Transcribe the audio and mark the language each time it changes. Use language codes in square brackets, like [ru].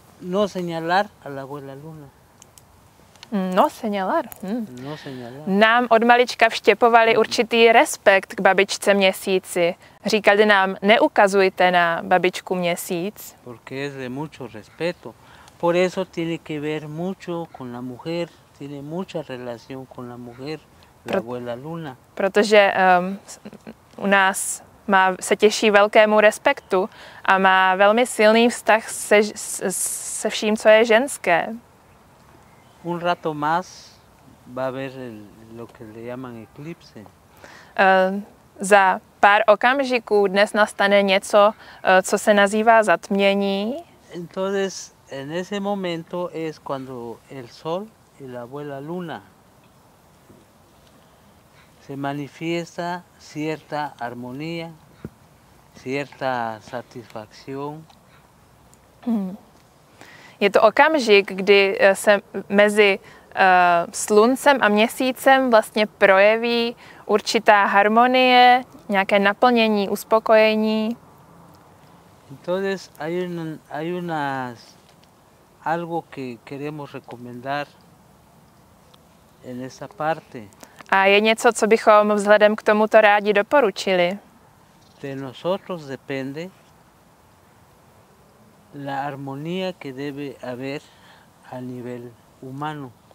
[es] no señalar a la abuela Luna. No, señalar. [cs] Nám od malička vštěpovali určitý respekt k babičce Měsíci. Říkali nám, neukazujte na babičku Měsíc. [es] Porque es de mucho respeto. Por eso tiene que ver mucho con la mujer. Tiene mucha relación con la mujer, la abuela Luna. [cs] Protože u nás má, se těší velkému respektu a má velmi silný vztah se vším, co je ženské. [es] Un rato más va a ver lo que le llaman eclipse. [cs] Za pár okamžiků dnes nastane něco, co se nazývá zatmění. [es] Entonces, en ese momento es cuando el sol y la abuela luna se manifiesta cierta armonía, cierta satisfacción. [cs] Je to okamžik, kdy se mezi sluncem a měsícem vlastně projeví určitá harmonie, nějaké naplnění, uspokojení. [es] Entonces hay una algo que queremos recomendar en esa parte. [cs] A je něco, co bychom vzhledem k tomuto rádi doporučili. [es] De nosotros depende la armonía que debe haber a nivel humano.